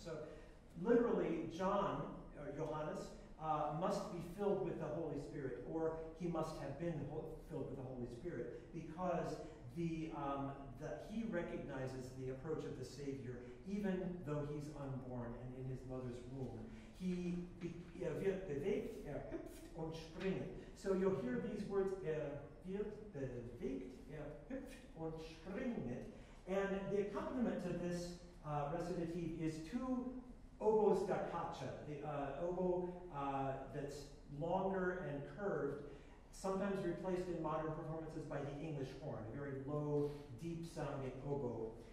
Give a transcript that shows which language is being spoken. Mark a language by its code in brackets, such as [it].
[en] So literally, John, or Johannes, must be filled with the Holy Spirit, or he must have been filled with the Holy Spirit, because that he recognizes the approach of the Savior, even though he's unborn and in his mother's womb. [de] He wird bewegt, erhüpft und springt. [en] So you'll hear these words, [de] wird bewegt, erhüpft und springt. [en] And the accompaniment to this recitative is two oboes da caccia, the oboe that's longer and curved, sometimes replaced in modern performances by the English horn, a very low, deep-sounding oboe.